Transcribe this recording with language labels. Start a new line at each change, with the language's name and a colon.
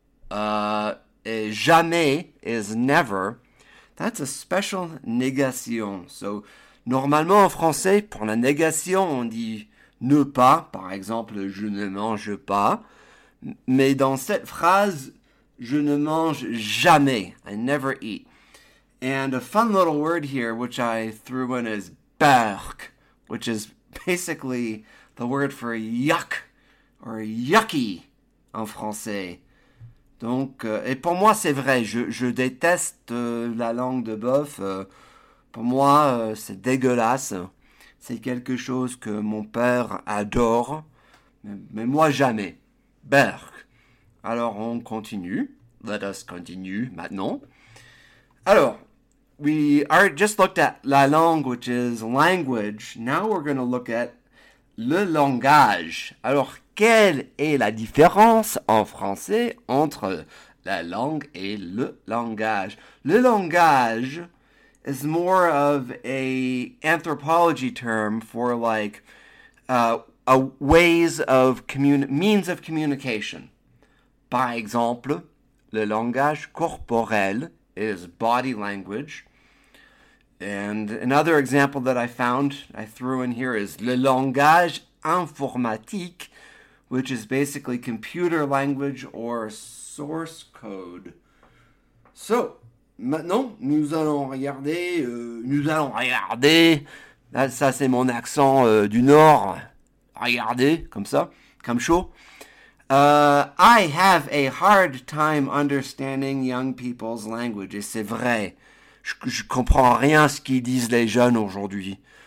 French: Et jamais
English: is never. That's a special négation.
French: So, normalement, en français, pour la négation, on dit ne pas. Par exemple, je ne mange pas. Mais dans cette phrase, je ne mange jamais.
English: I never eat. And a fun little word here, which I threw in, is berk, which is basically the word for yuck or yucky en français.
French: Donc, et pour moi, c'est vrai. Je déteste la langue de bœuf. Pour moi, c'est dégueulasse. C'est quelque chose que mon père adore, mais moi jamais. Berk. Alors, on continue.
English: Let us continue
French: maintenant.
English: Alors, we are just looked at la langue, which is language. Now we're going to look at le langage.
French: Alors, quelle est la différence en français entre la langue et le langage?
English: Le langage is more of a anthropology term for like a ways of means of communication.
French: Par exemple, le langage corporel
English: is body language. And another example that I threw in here is le langage informatique, which is basically computer language or source code.
French: So, maintenant, nous allons regarder, ça c'est mon accent du Nord, regardez, comme ça, comme chaud.
English: I have a hard time understanding young people's language,
French: et c'est vrai, je comprends rien ce qu'ils disent les jeunes aujourd'hui.